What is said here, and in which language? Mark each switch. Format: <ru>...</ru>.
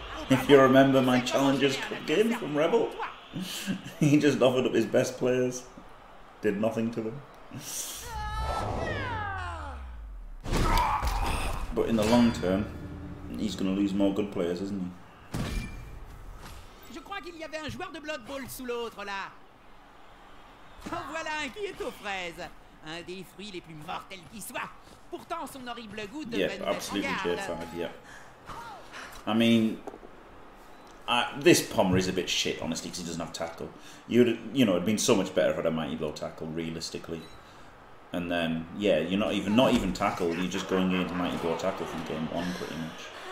<en>If you remember my Challengers Cup game from Rebel, he just offered up his best players. Did nothing to them. But in the long term, he's going to lose more good players, isn't he?</en> <fr>Je crois qu'il y avait un joueur de Blood Bowl sous l'autre là. En voilà un qui est aux fraises, un des fruits les plus mortels qui soit. Pourtant son horrible goût de</fr> <en>Yeah, absolutely terrified, yeah. I mean, this Pommer is a bit shit, honestly, because he doesn't have tackle. You know, it'd been so much better if I had a mighty blow tackle, realistically. And then, yeah, you're not even tackle, you're just going into mighty blow tackle from game one, pretty much.</en>